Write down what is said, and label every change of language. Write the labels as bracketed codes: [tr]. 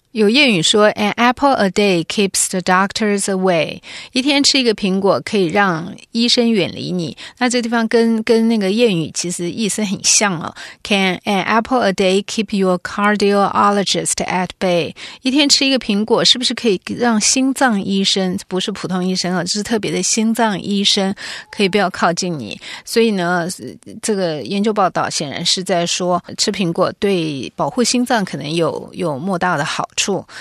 [zh] 有谚语说 [en] An apple a day keeps the doctors away. [zh] 一天吃一个苹果可以让医生远离你。那这地方 跟那个谚语其实意思很像哦。 [en] Can an apple a day keep your cardiologist at bay? [zh] 一天吃一个苹果是不是可以让心脏医生，不是普通医生哦，是特别的心脏医生，可以不要靠近你。所以呢，这个研究报道显然是在说吃苹果对保护心脏可能有莫大的好处。